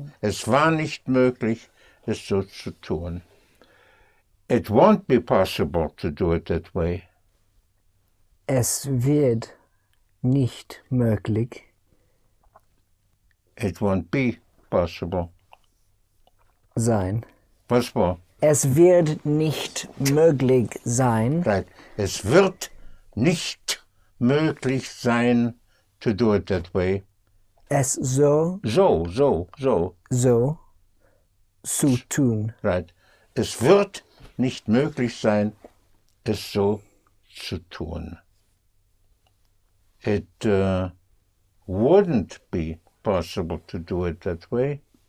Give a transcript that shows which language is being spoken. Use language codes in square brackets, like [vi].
[de] Es war nicht möglich, es so zu tun. [en] It won't be possible to do it that way. [de] Es wird nicht möglich. [en] It won't be possible. [de] Sein. Was war? Es wird nicht möglich sein. Right. Es wird nicht möglich sein, [en] to do it that way. [de] Es so. So. So. Zu tun. [en] Right. [de] Es wird nicht möglich sein, es so zu tun. [en] It wouldn't be possible to do it that way.